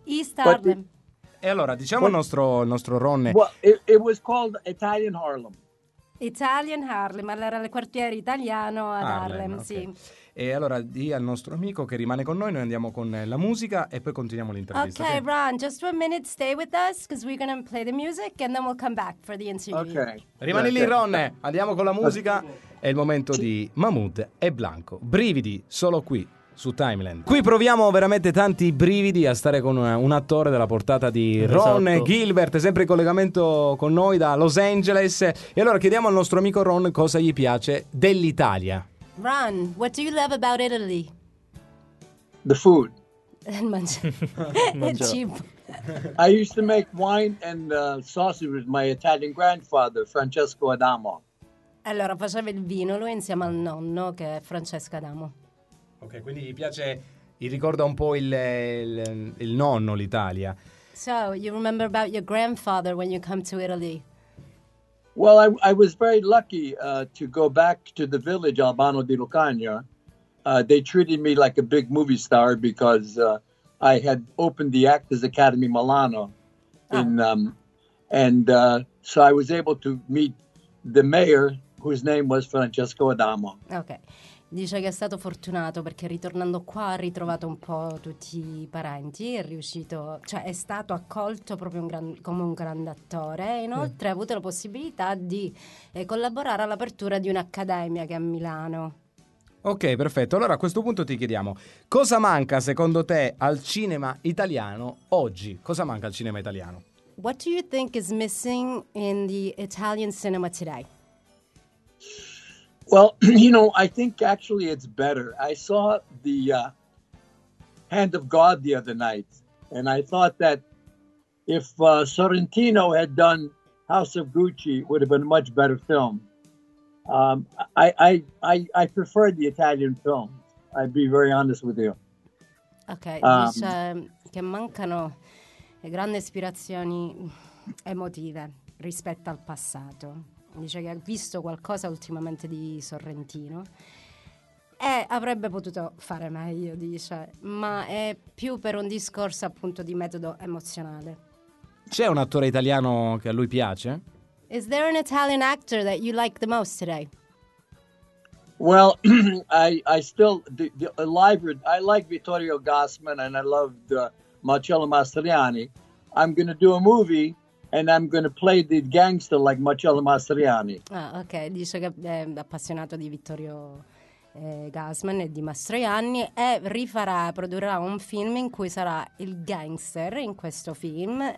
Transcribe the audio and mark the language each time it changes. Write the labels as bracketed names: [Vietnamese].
[English] East Harlem. [Italian] E allora, diciamo il nostro Ronne. [English] Well, it was called Italian Harlem. [Italian] Italian Harlem, allora il quartiere italiano ad Harlem, Harlem, okay. Sì. E allora di al nostro amico che rimane con noi, noi andiamo con la musica e poi continuiamo l'intervista. [English] Okay, okay. Ron, just 1 minute, stay with us because we're gonna play the music and then we'll come back for the interview. Okay. [Italian] Rimani lì, Ron. Andiamo con la musica. È il momento di Mahmood e Blanco. Brividi, solo qui su Timeland. Qui proviamo veramente tanti brividi a stare con un attore della portata di Ron Gilbert, sempre in collegamento con noi da Los Angeles. E allora chiediamo al nostro amico Ron cosa gli piace dell'Italia. [English] Ron, what do you love about Italy? The food. [Italian] Il cibo. [English] I used to make wine and sausage with my Italian grandfather, Francesco Adamo. [Italian] Allora, faceva il vino lui insieme al nonno, che è Francesco Adamo. Ok, quindi gli piace, gli ricorda un po' il nonno, l'Italia. [English] So, you remember about your grandfather when you come to Italy? Well, I was very lucky to go back to the village Albano di Lucania. They treated me like a big movie star because I had opened the Actors Academy Milano. So I was able to meet the mayor, whose name was Francesco Adamo. Okay. [Italian] Dice che è stato fortunato perché ritornando qua ha ritrovato un po' tutti i parenti, è riuscito, cioè è stato accolto proprio come un grande attore e inoltre ha avuto la possibilità di collaborare all'apertura di un'accademia che è a Milano. Ok, perfetto. Allora a questo punto ti chiediamo, cosa manca secondo te al cinema italiano oggi? Cosa manca al cinema italiano? [English] What do you think is missing in the Italian cinema today? Well, you know, I think actually it's better. I saw the Hand of God the other night, and I thought that if Sorrentino had done House of Gucci, it would have been a much better film. I prefer the Italian film. I'd be very honest with you. [Italian] Okay, dice che mancano le grandi ispirazioni emotive rispetto al passato. Dice che ha visto qualcosa ultimamente di Sorrentino e avrebbe potuto fare meglio, dice, ma è più per un discorso appunto di metodo emozionale. C'è un attore italiano che a lui piace? [English] Is there an Italian actor that you like the most today? Well, I still the library, I like Vittorio Gassman and I loved Marcello Mastroianni. I'm going to do a movie and I'm going to play the gangster like Marcello Mastroianni. Ah, ok. [Italian] Dice che è appassionato di Vittorio Gassman e di Mastroianni e produrrà un film in cui sarà il gangster in questo film.